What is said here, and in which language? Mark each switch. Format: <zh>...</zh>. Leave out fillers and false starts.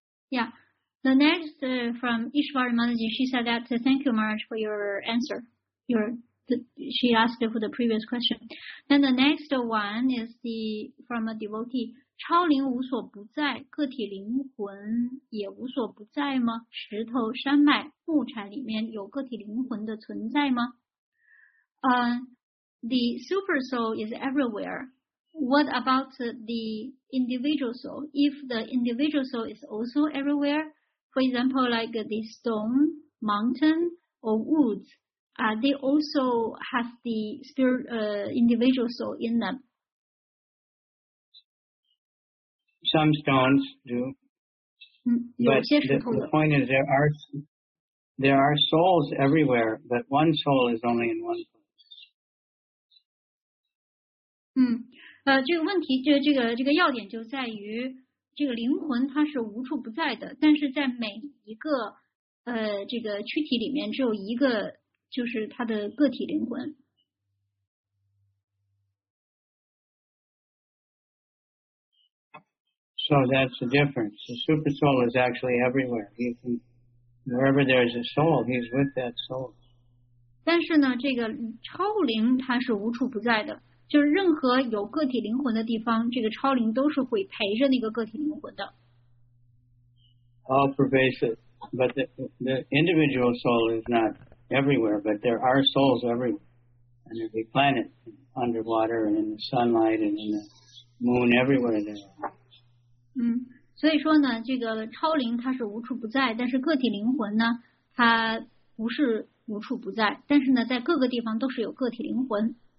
<en>Yeah. The next from Ishwari Manaji, she said that, thank you, Maharaj, for your answer. She asked for the previous question. Then the next one is from a devotee.</en> <zh>超灵无所不在，个体灵魂也无所不在吗？石头、山脉、木材里面有个体灵魂的存在吗？</zh> <en>The super soul is everywhere. What about the individual soul? If the individual soul is also everywhere,For example, like the stone, mountain, or woods, they also have the spirit, individual soul in them. Some stones do. But the point is there are souls everywhere, but one soul is only in one place.</en> <zh>这个问题，这个要点就在于这个灵魂它是无处不在的，但是在每一个这个躯体里面只有一个，就是它的个体灵魂。</zh> <en>So that's the difference. The super soul is actually everywhere. Wherever there is a soul, he's with that soul.</en> <zh>但是呢，这个超灵它是无处不在的。就是任何有个体灵魂的地方，这个超灵都是会陪着那个个体灵魂的。</zh> <en>All pervasive, but the individual soul is not everywhere, but there are souls everywhere. And every planet, underwater, and in the sunlight, and in the moon, everywhere there are.</en> <zh>所以说呢，这个超灵它是无处不在，但是个体灵魂呢，它不是无处不在，但是呢，在各个地方都是有个体灵魂。</zh>